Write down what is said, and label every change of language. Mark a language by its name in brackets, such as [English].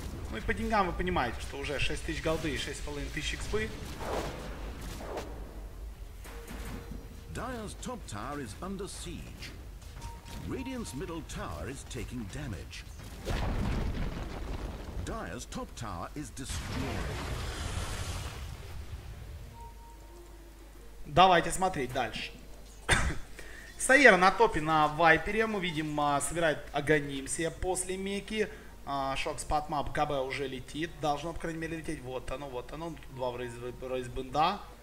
[Russian] Ну и по деньгам вы понимаете, что уже 6000 голды и 6500 экспы. [English] Dire's top tower is under siege. Radiant's middle tower is taking damage. Dire's top tower is destroyed. [Russian] Давайте смотреть дальше. Сайера на топе на вайпере. Мы видим, собирает Аганимсия после Меки. Шокс под мап. КБ уже летит. Должно, по крайней мере, лететь. Вот оно, вот оно. Тут два рейзбенда.